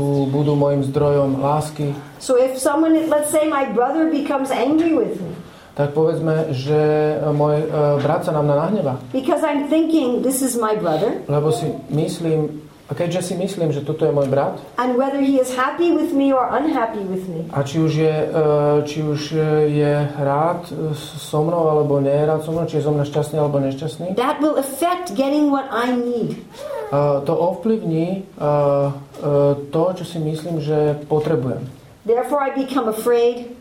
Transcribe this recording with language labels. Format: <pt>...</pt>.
<sk>Budú môjim zdrojom lásky.</sk> <en>So if someone, let's say my brother becomes angry with me.</en> <sk>Tak povedzme, že môj brat sa na mňa nahnevá.</sk> <en>Because I'm thinking this is my brother.</en> <sk>Lebo si myslím, a keďže si myslím, že toto je môj brat.</sk> <en>And whether he is happy with me or unhappy with me.</en> <sk>A či už je rád so mnou alebo nie je rád so mnou, či je so mnou šťastný alebo nešťastný.</sk> <en>That will affect getting what I need.</en> <sk>To ovplyvní to, čo si myslím, že potrebujem.</sk> <en>Therefore I become afraid.</en>